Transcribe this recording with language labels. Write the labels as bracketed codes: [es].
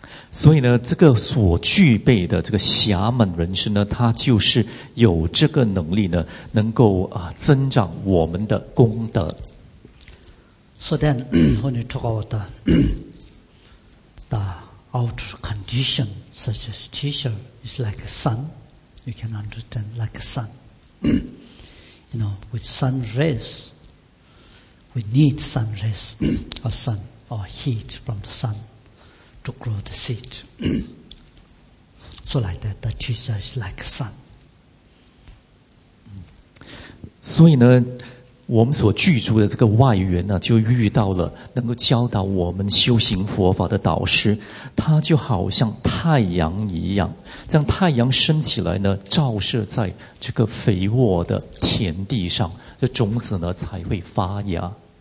[en] So, [zh] 呢，这个所具备的这个暇满人生呢，它就是有这个能力呢，能够增长我们的功德。 [en] So then, when you talk about the outer condition, such as teacher, it's like a sun. You can understand like a sun. You know, with sun rays, we need sun rays or sun or heat from the sun to grow the seed. So like that, the teacher is like a sun. So, you know, [zh] 我们所具足的这个外缘呢，就遇到了能够教导我们修行佛法的导师，他就好像太阳一样，这样太阳升起来呢，照射在这个肥沃的田地上，这种子呢才会发芽。